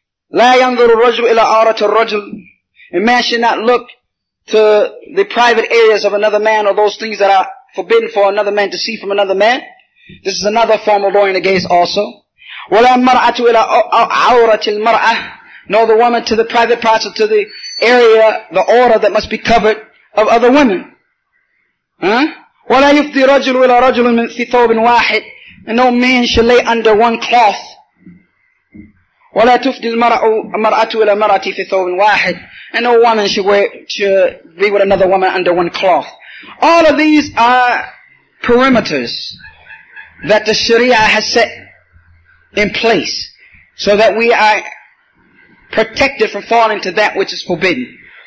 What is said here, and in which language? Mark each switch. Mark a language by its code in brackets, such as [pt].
[ar] لا ينظر الرجل إلى عورة الرجل. [en] A man should not look to the private areas of another man or those things that are forbidden for another man to see from another man. This is another form of going against also. [ar] ولا المرأة إلى عورة المرأة. [en] Nor the woman to the private parts or to the area, the aura that must be covered of other women. [ar] ولا يفضي رجل إلى رجل من في ثوب واحد. [en] And no man should lay under one cloth. [ar] ولا تفضي المرأة إلى مرأة في ثوب واحد. [en] And no woman should wear, should be with another woman under one cloth. All of these are perimeters that the Sharia has set in place so that we are protected from falling to that which is forbidden.